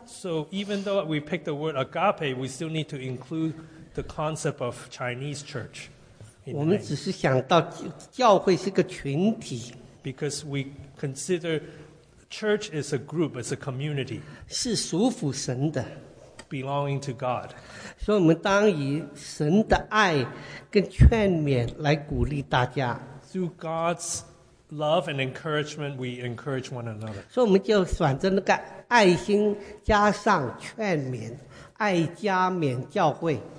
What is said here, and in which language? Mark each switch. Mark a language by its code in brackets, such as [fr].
[en] So even though we picked the word agape, we still need to include the concept of Chinese church. [zh] 我们只是想到教会是个群体。 [en] Because we consider church is a group, it's a community. [zh] 是属乎神的。 [en] Belonging to God. [zh] 所以我们当以神的爱跟劝勉来鼓励大家。 [en] Through God's love and encouragement, we encourage one another. [zh] 所以我们就选择那个爱心加上劝勉,爱加勉教会。